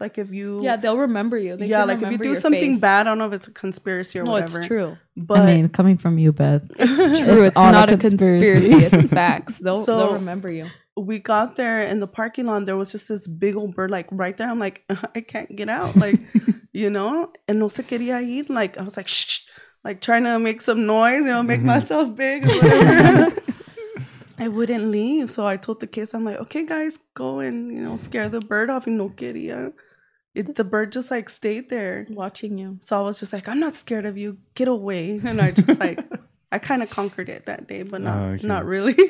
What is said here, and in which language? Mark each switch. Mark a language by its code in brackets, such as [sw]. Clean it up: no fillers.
[en] Like, if you... Yeah, they'll remember you. They like, if you do something bad, I don't know if it's a conspiracy or whatever. No, it's true. But I mean, coming from you, Beth. It's true. It's not a conspiracy. It's facts. They'll remember you. We got there, in the parking lot, there was just this big old bird, like, right there. I'm like, I can't get out. Like... You know, and [es] no se quería ir. [en] Like, I was like, shh, like trying to make some noise, you know, make myself big. I wouldn't leave. So I told the kids, I'm like, okay, guys, go and, you know, scare the bird off. [es] No quería. [en] The bird just like stayed there watching you. So I was just like, I'm not scared of you. Get away. And I just like, I kind of conquered it that day, but not really.